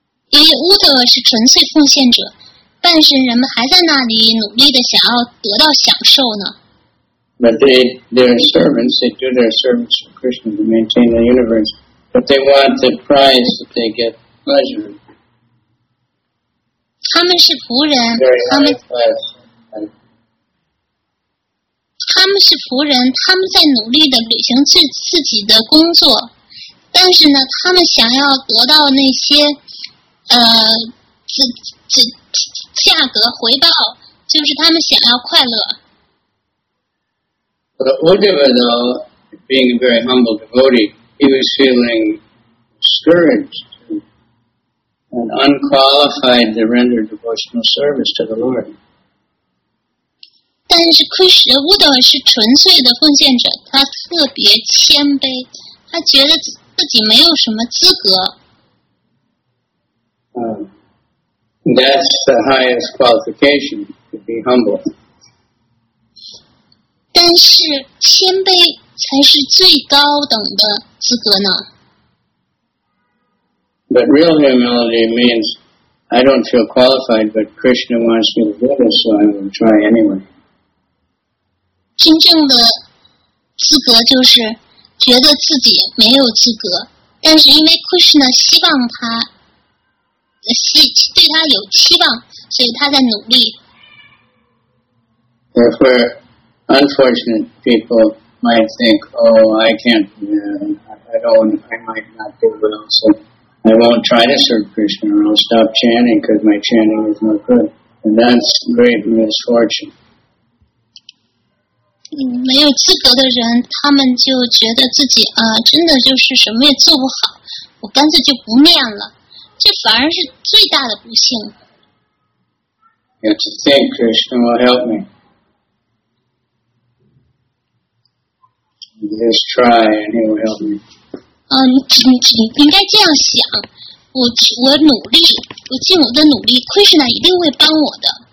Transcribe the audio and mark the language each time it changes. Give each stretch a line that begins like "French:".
Chinese: 因为 Uddhava 是纯粹奉献者，半神人们还在那里努力的想要得到享受呢。
English: But they are servants, they do their service for Krishna to maintain the universe, but they want the prize that they get. Pleasure.
Chinese: 他们是仆人，他们是仆人，他们在努力的履行自己的工作，但是呢，他们想要得到那些价格回报，就是他们想要快乐。
English: But Uddhava, though being a very humble devotee, he was feeling discouraged. And unqualified to render devotional service to the Lord.
Chinese: 但是 Krishna Uddhava 是纯粹的奉献者，他特别谦卑，他觉得自己没有什么资格。
English: That's the highest qualification to be humble.
Chinese: 但是谦卑才是最高等的资格呢。
English: But real humility means I don't feel qualified, but Krishna wants me to do this, so I will try anyway.
Chinese: 真正的资格就是觉得自己没有资格，但是因为 Krishna 希望他对他有期望，所以他在努力。
English: Therefore, unfortunate people might think, "Oh, I can't. I might not do well." So. I won't try to serve Krishna, or I'll stop chanting because my chanting is no good, and that's great misfortune.
Chinese: 没有资格的人，他们就觉得自己啊，真的就是什么也做不好，我干脆就不念了，这反而是最大的不幸。
English: You have to think Krishna will help me. Just try, and he will help me.
Chinese: 你应该这样想，我努力，我尽我的努力 ，Krishna 一定会帮我的。